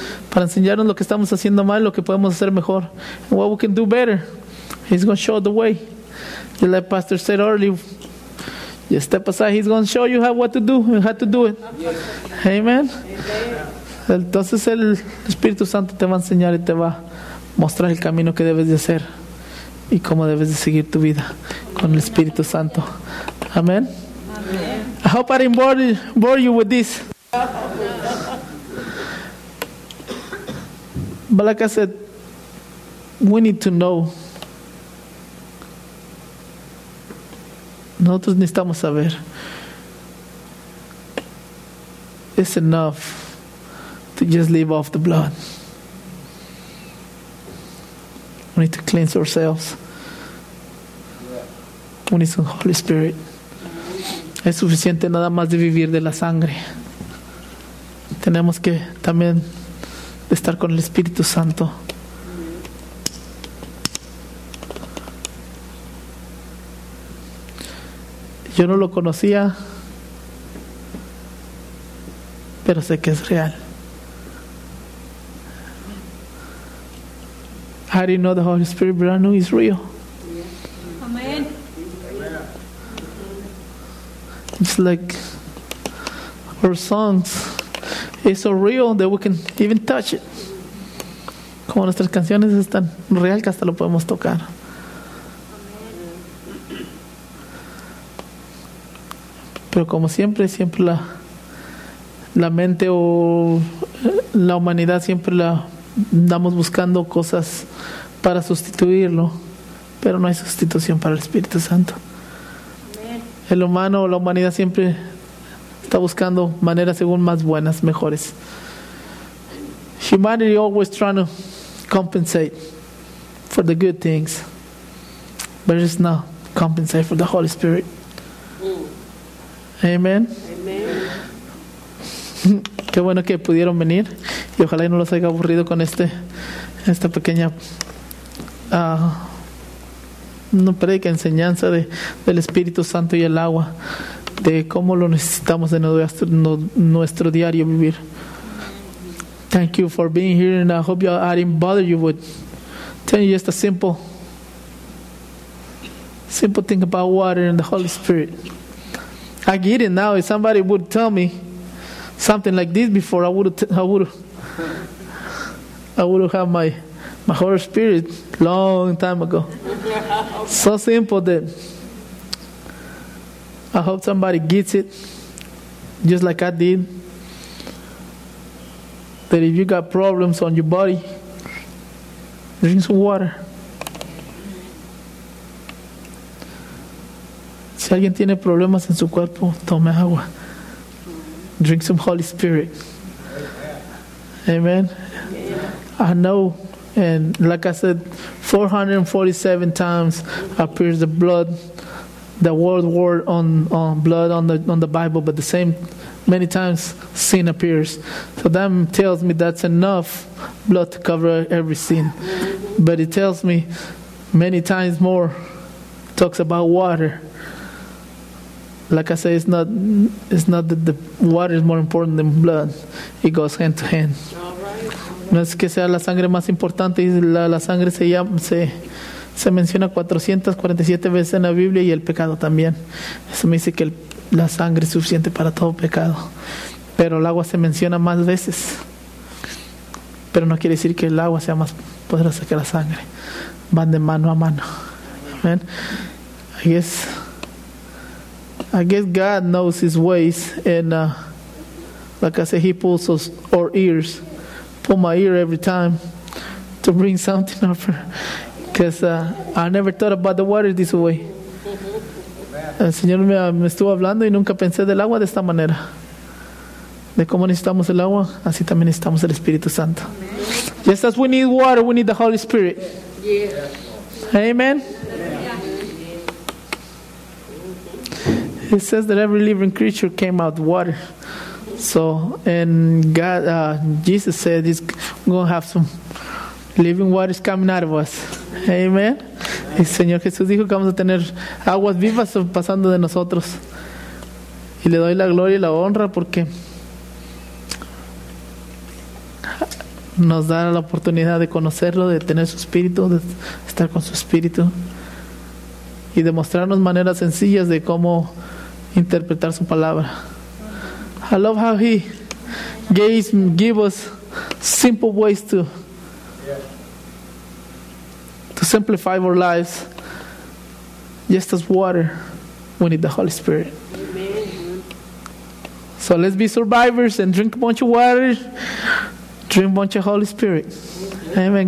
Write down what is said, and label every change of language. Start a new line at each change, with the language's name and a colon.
Spanish: Para enseñarnos lo que estamos haciendo mal, lo que podemos hacer mejor,
English: and what we can do better. He's going to show the way. Just like Pastor said earlier, you step aside, he's going to show you how what to do and how to do it. Yes. Amen.
Spanish: Entonces el Espíritu Santo te va a enseñar y te va a mostrar el camino que debes de hacer y cómo debes de seguir tu vida con el Espíritu Santo.
English: Amen. Amen. I hope I didn't bore you with this. But like I said, we need to know.
Spanish: Nosotros necesitamos saber.
English: It's enough to just leave off the blood. We need to cleanse ourselves. We need some Holy Spirit.
Spanish: Es suficiente nada más de vivir de la sangre. Tenemos que también estar con el Espíritu Santo. Yo no lo conocía, pero sé que es real.
English: I didn't know the Holy Spirit, but I knew it's real. Amen. It's like our songs. It's so real that we can even touch it.
Spanish: Como nuestras canciones están real que hasta lo podemos tocar. Pero como siempre la mente o la humanidad siempre la andamos buscando cosas para sustituirlo, pero no hay sustitución para el Espíritu Santo. Amén. El humano o la humanidad siempre está buscando maneras según más buenas, mejores.
English: Humanity always trying to compensate for the good things, but it's not compensate for the Holy Spirit. Amen. Amen.
Spanish: Qué bueno que pudieron venir y ojalá y no los haya aburrido con esta pequeña una predica enseñanza del Espíritu Santo y el agua, de cómo lo necesitamos en nuestro diario vivir.
English: Thank you for being here and I hope I didn't bother you with telling you just a simple thing about water and the Holy Spirit. I get it now. If somebody would tell me something like this before, I would have my whole spirit long time ago. So simple that I hope somebody gets it, just like I did. That if you got problems on your body, drink some water.
Spanish: Si alguien tiene problemas en su cuerpo, tome agua.
English: Drink some Holy Spirit. Amen. Yeah. I know, and like I said, 447 times appears the blood, the word on blood on the Bible, but the same many times sin appears. So that tells me that's enough blood to cover every sin. But it tells me many times more talks about water. Like I say, it's not that the water is more important than blood. It goes hand to hand.
Spanish: No es que sea la sangre más importante. La sangre se menciona 447 veces en la Biblia y el pecado también. Eso me dice que la sangre es suficiente para todo pecado. Pero el agua se menciona más veces. Pero no quiere decir que el agua sea más poderosa que la sangre. van de mano a mano. Amen.
English: I guess God knows his ways, and like I said, he pulls us our ears, pull my ear every time to bring something up, because I never thought about the water this way.
Spanish: El Señor me estuvo hablando y nunca pensé del agua de esta manera. De cómo necesitamos el agua, así también necesitamos el Espíritu Santo.
English: Just as we need water, we need the Holy Spirit. Amen. It says that every living creature came out of water. So, and God, Jesus said, he's going to have some living waters coming out of us. Amen.
Spanish: Y Señor Jesús dijo que vamos a tener aguas vivas pasando de nosotros. Y le doy la gloria y la honra porque nos da la oportunidad de conocerlo, de tener su espíritu, de estar con su espíritu. Y de mostrarnos maneras sencillas de cómo interpretar su palabra.
English: I love how he gave us simple ways to simplify our lives. Just as water, we need the Holy Spirit. Amen. So let's be survivors and drink a bunch of water, drink a bunch of Holy Spirit. Amen.